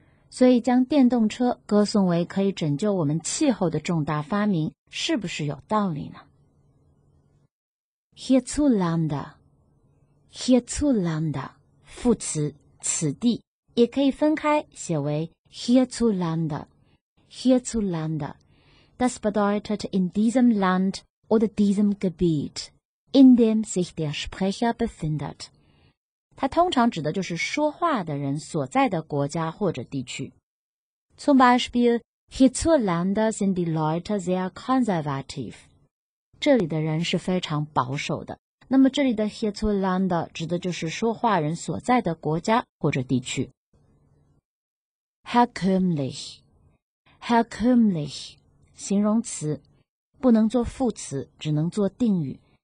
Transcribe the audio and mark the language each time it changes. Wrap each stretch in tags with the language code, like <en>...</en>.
<zh>所以将电动车歌颂为可以拯救我们气候的重大发明，是不是有道理呢？ Hierzulande 副词，此地，也可以分开写为 Hierzulande</zh> <de>Das bedeutet in diesem Land oder diesem Gebiet, in dem sich der Sprecher befindet.</de> <zh>它通常指的就是说话的人所在的国家或者地区。</zh> <de>Zum Beispiel, Hierzulande sind die Leute sehr konservativ.</de> <zh>这里的人是非常保守的。那么这里的 Hierzulande 指的就是说话人所在的国家或者地区。</zh> <de>Herkömmlich</de> <zh>形容词，不能做副词，只能做定语。</zh>